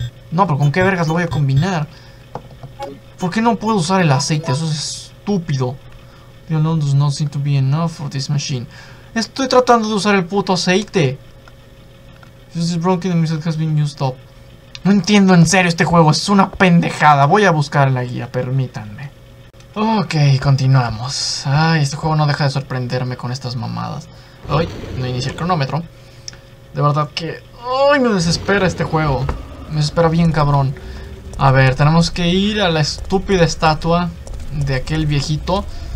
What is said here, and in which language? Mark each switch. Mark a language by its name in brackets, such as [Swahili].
[Spanish] No, pero ¿con qué vergas lo voy a combinar? ¿Por qué no puedo usar el aceite? Eso es estúpido. [English] The alone does not seem to be enough for this machine. [Spanish] Estoy tratando de usar el puto aceite. [English] This is broken and it has been used up. [Spanish] No entiendo, en serio, este juego es una pendejada. Voy a buscar la guía, permítanme. Ok, continuamos. Ay, este juego no deja de sorprenderme con estas mamadas. Ay, no inicia el cronómetro. De verdad que... ¡Ay! Me desespera este juego. Me desespera bien cabrón. A ver, tenemos que ir a la estúpida estatua de aquel viejito.